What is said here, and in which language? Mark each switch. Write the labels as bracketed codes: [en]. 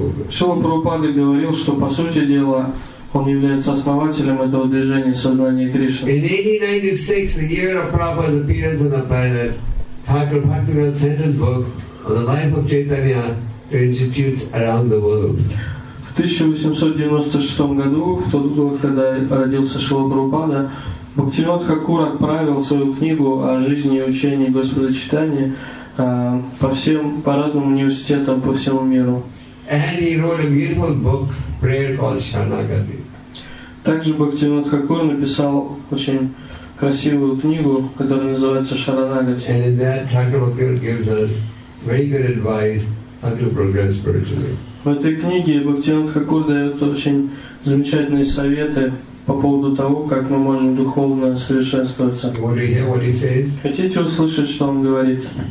[ru] Шрила Прабхупада говорил, что, по сути дела, он является основателем этого движения сознания Кришны. [en] In 1896, the year of Prabhupada's appearance on the planet, Thakur Bhaktivinoda sent his book on the life of Chaitanya to institutes around the world. [ru] В 1896 году, в тот год, когда родился Шрила Прабхупада, Бхактивинода Тхакур отправил свою книгу о жизни и учении Господа Чайтаньи по разным университетам по всему миру. [en] And he wrote a beautiful book, prayer called Sharanagati. [ru] Также Бхактивинода Тхакур написал очень красивую книгу, которая называется Шаранагати. [en] And in that, Thakur Bhaktivinoda gives us very good advice how to progress spiritually. [ru] В этой книге Бхактивинода Тхакур дает очень замечательные советы по поводу того, как мы можем духовно совершенствоваться. Хотите услышать, что он говорит?